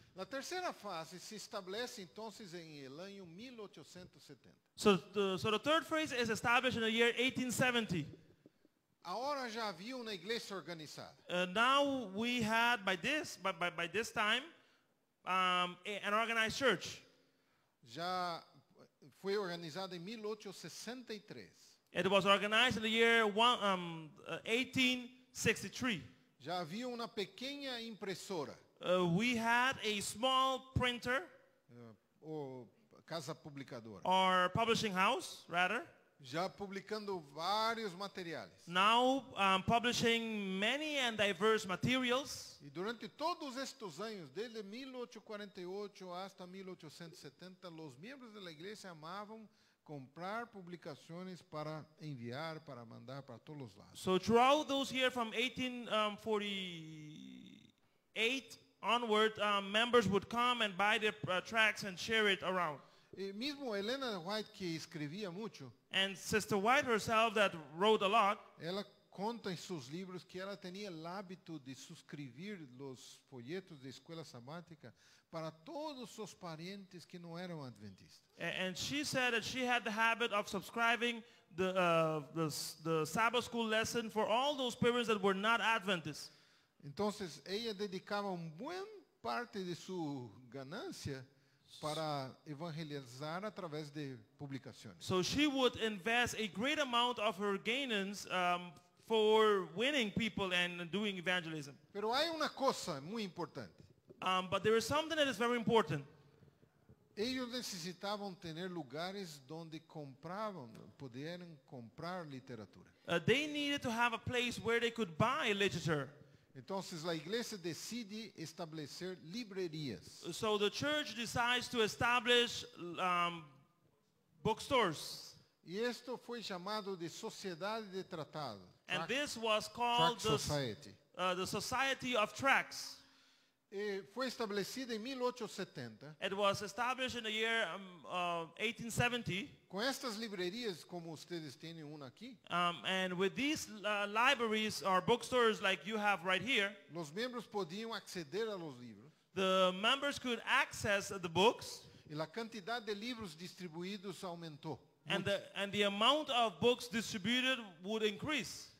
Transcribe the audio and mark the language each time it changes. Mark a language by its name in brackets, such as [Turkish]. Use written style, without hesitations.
[Portuguese] A terceira fase se estabelece entonces em [Spanish] el año [Portuguese] 1870. [English] So the third phase is established in the year 1870. [Portuguese] Agora já havia uma igreja organizada. [English] Now we had by this time an organized church. [Portuguese] Já foi organizada em 1863. [English] It was organized in the year 1863. [Portuguese] Já havia uma pequena impressora. [English] We had a small printer. [Portuguese] Ou casa publicadora. [English] Or publishing house, rather. [Portuguese] Já publicando vários materiais. [English] Now publishing many and diverse materials. [Portuguese] E durante todos estes anos, desde 1848 até 1870, os membros da igreja amavam comprar publicações para enviar, para mandar para todos os lados. [English] So throughout those years from 1848 onward, members would come and buy their tracts and share it around. [Portuguese] E mesmo Helena White, que escrevia muito, [English] and Sister White herself that wrote a lot, [Portuguese] ela conta em seus livros que ela tinha o hábito de subscrever os folhetos de escola sabática para todos os parentes que não eram adventistas. [English] And she said that she had the habit of subscribing the Sabbath school lesson for all those parents that were not Adventists. [Portuguese] Então, ela dedicava uma boa parte de sua ganância para evangelizar através de publicações. [English] So she would invest a great amount of her gains for winning people and doing evangelism. [Spanish] Pero hay una cosa muy importante. [English] But there is something that is very important. [Spanish] Ellos necesitaban tener lugares donde compraban, pudieran comprar literatura. [English] They needed to have a place where they could buy literature. [Spanish] Entonces la iglesia decide establecer librerías. [English] So the church decides to establish bookstores. [Spanish] Y esto fue llamado de Sociedad de Tratados. [English] And this was called the Society of Tracts. [Portuguese] Foi estabelecida em 1870. [English] It was established in the year 1870. [Portuguese] Com estas livrarias, como vocês têm uma aqui. [English] And with these libraries or bookstores like you have right here. [Portuguese] Os membros podiam acceder aos livros. [English] The members could access the books. [Portuguese] E a quantidade de livros distribuídos aumentou. [English] And the amount of books distributed would increase.